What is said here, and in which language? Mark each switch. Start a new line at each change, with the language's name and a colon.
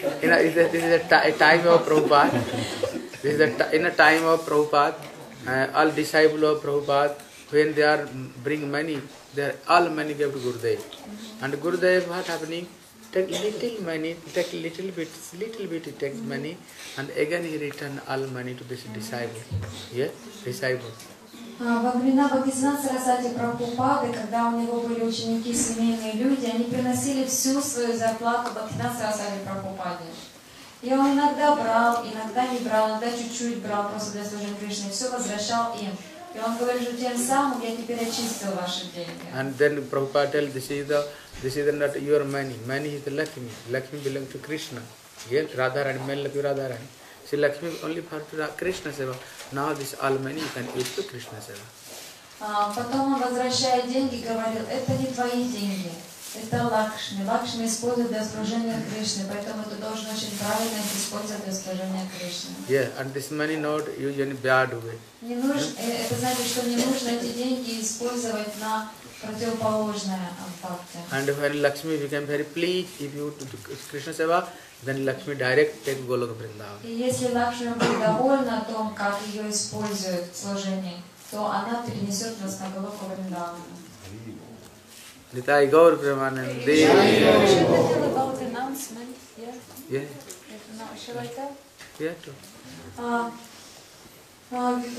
English: And this is the time of Prabhupada, all disciples of Prabhupada, when they are bring money, they are all money gave to Gurudev. And Gurudev, what happening? Take little bit money, and again he return all money to this disciple. Yeah, disciple.
Russian: Во времена Бхагавад-гиты Сарасвати Прабхупады, когда у него были ученики, семейные люди, они приносили всю свою зарплату Бхагавад-гиты Сарасвати Прабхупаде. И он иногда брал, иногда не брал, иногда чуть-чуть брал просто для служения Кришне, и все возвращал им. И он говорит, что тем самым я теперь очистил ваши деньги.
English: And then Prabhupada tell, this is not your money. Money is the Lakshmi. Lakshmi belongs to Krishna. Yes, Radharani, man Lakshmi Radharani. So Lakshmi only for Krishna Seva. Now this all money you can use to Krishna Seva.
Russian: Потом он, возвращая деньги, говорил, это не твои деньги, это Лакшми. Лакшми использует для служения Кришны, поэтому ты должен очень правильно использовать для служения Кришны.
English: Yeah, and this money not use in bad way.
Russian: Не нужно, это значит, что не нужно эти деньги использовать на противоположное факте.
English: And when Lakshmi became very pleased, if you do Krishna Seva, then Lakshmi direct take Golok Vrindavan.
Russian: И если Лакшми будет довольна о том, как ее используют в служении, то она перенесет вас на Голоку Вриндавана. Нитай Гаур Премананди.
English: Should I tell about announcement? Yeah. Should I tell? Yeah, too.